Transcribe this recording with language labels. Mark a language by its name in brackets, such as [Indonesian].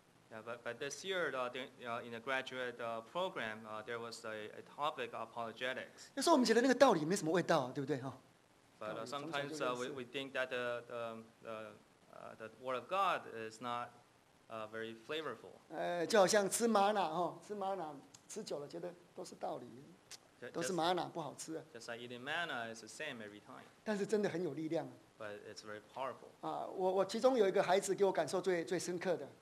[English] Yeah, but this year, in the graduate program, there was a topic of apologetics. [Chinese] 有时候我们觉得那个道理没什么味道, 对不对? [English] But sometimes we think that the word of God is not very flavorful. [Chinese] 就好像吃麻辣, 吃麻辣, 吃久了觉得都是道理, 都是麻辣, 不好吃。 [English] Just like eating manna is the same every time. [Chinese] 但是真的很有力量。 [English] But it's very powerful. [Chinese] 我其中有一个孩子给我感受最深刻的。